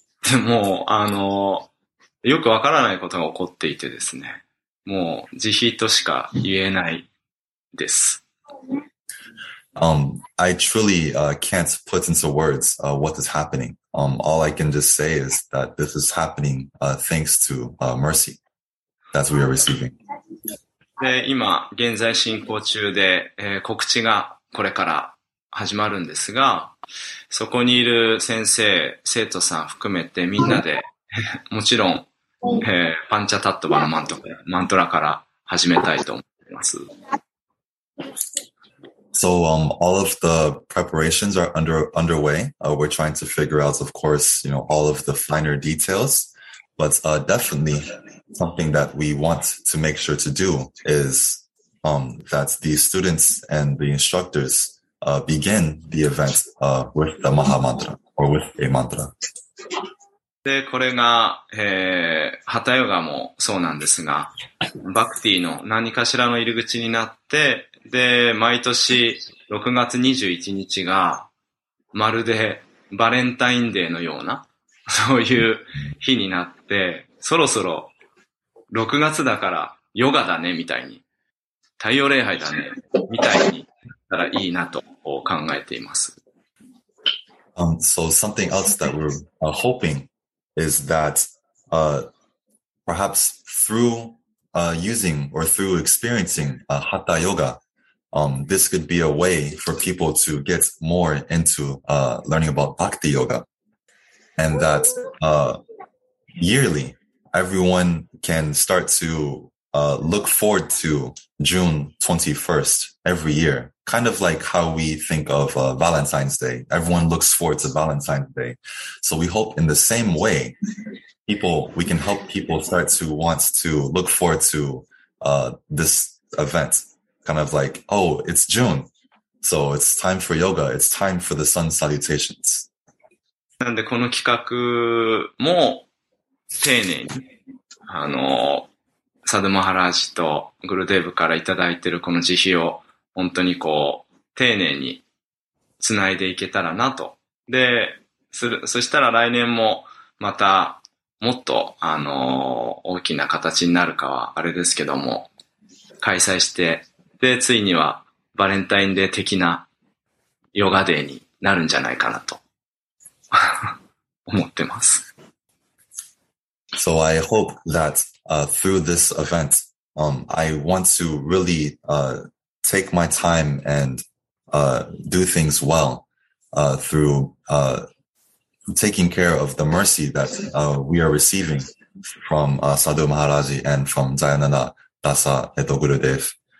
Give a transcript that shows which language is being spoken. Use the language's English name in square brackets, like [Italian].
[Japanese] でも、よくわからないことが起こっていてですね。もう、慈悲としか言えないです。 [English] I truly can't put into words what is happening. All I can just say is that this is happening thanks to mercy that we are receiving. [Japanese] で、今現在進行中で、告知がこれから始まるんですが、そこにいる先生、生徒さん含めてみんなで、もちろん、パンチャタットバのマントラから始めたいと思います。 [English] So, all of the preparations are underway. We're trying to figure out, of course, you know, all of the finer details. But, definitely something that we want to make sure to do is, that the students and the instructors, begin the event, with the Maha Mantra or with a mantra. [Japanese] で、これが、ハタヨガもそうなんですが、バクティの何かしらの入り口になって、で、毎年6月21日がまるでバレンタインデーのようなそういう日になって、そろそろ6月だからヨガだねみたいに、太陽礼拝だねみたいにしたらいいなと考えています。 [English] So something else that we're hoping is that perhaps through using or through experiencing Hatha Yoga,this could be a way for people to get more into learning about bhakti yoga. And that yearly, everyone can start to look forward to June 21st every year. Kind of like how we think of Valentine's Day. Everyone looks forward to Valentine's Day. So we hope in the same way, we can help people start to want to look forward to this event. Kind of like, oh, it's June, so it's time for yoga. It's time for the sun salutations. [Japanese] なんでこの企画も丁寧にサドマハラージとグルデーブからいただいてるこの慈悲を本当にこう丁寧につないでいけたらなと。で、そしたら来年もまたもっと大きな形になるかはあれですけども開催して。で、ついにはバレンタインデー的なヨガデーになるんじゃないかなと思ってます。 [English] So I hope that through this event, I want to really take my time and do things well through taking care of the mercy that we are receiving from Sadhu Maharaji and from Dayananda Dasa Eto Gurudev.